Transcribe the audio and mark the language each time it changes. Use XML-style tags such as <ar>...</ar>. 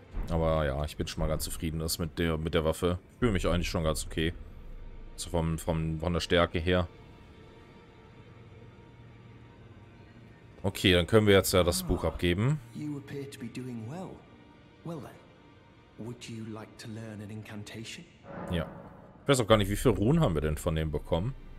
<de>Aber ja, ich bin schon mal ganz zufrieden mit der Waffe. Fühle mich eigentlich schon ganz okay. So von der Stärke her. Okay, dann können wir jetzt ja das Buch abgeben.</de> <en>You appear to be doing well. Well then, would you like to learn an incantation?</en> <de>Ja. Ich weiß auch gar nicht, wie viele Runen haben wir denn von dem bekommen?</de>